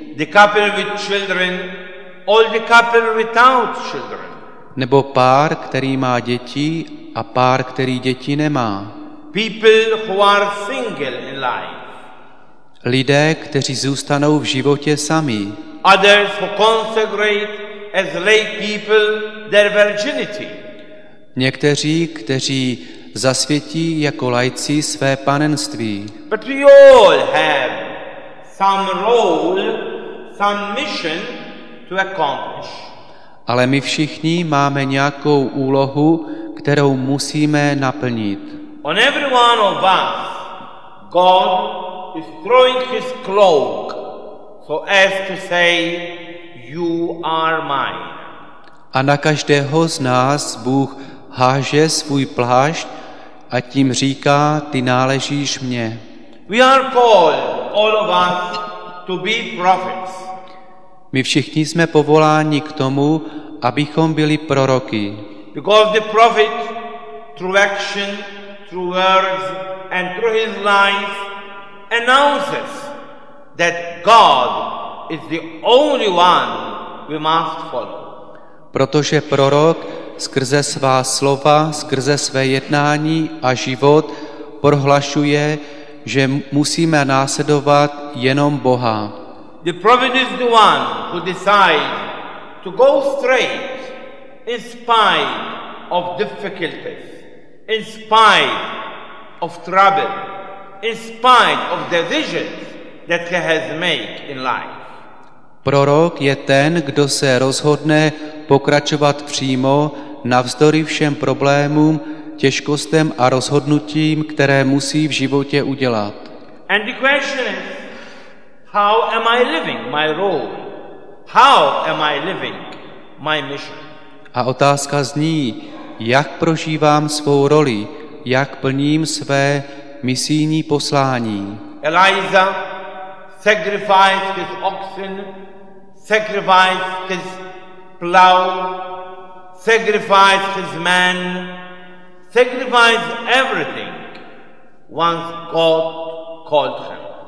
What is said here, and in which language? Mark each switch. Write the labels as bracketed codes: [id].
[en] The couple with children or the couple without children. [cs] Nebo pár, který má děti a pár, který děti nemá. [en] People who are single in life. [cs] Lidé, kteří zůstanou v životě sami. [en] Others who consecrate as lay people their virginity. [cs] Někteří, kteří zasvětí jako laici své panenství. [en] But we all have some role, some mission to accomplish. [cs] Ale my všichni máme nějakou úlohu, kterou musíme naplnit. [en] On every one of us God is throwing his cloak so as to say you are mine. [cs] A na každého z nás Bůh háže svůj plášť a tím říká, ty náležíš mně. [en] We are called, all of us, to be prophets. [cs] My všichni jsme povoláni k tomu, abychom byli proroky. [en] Because the prophet, through action, through words, and through his life, announces that God is the only one we must follow. [cs] Protože prorok skrze svá slova, skrze své jednání a život prohlašuje, že musíme následovat jenom Boha. [en] The prophet is the one who decides to go straight in spite of difficulties, in spite of trouble, in spite of decisions that he has made in life. [cs] Prorok je ten, kdo se rozhodne pokračovat přímo navzdory všem problémům, těžkostem a rozhodnutím, které musí v životě udělat. [en] And the question is, how am I living my role? How am I living my mission? [cs] A otázka zní, jak prožívám svou roli, jak plním své misijní poslání. [en] Eliza sacrificed his oxen, sacrificed his plow, sacrificed his man, sacrificed everything once God called him.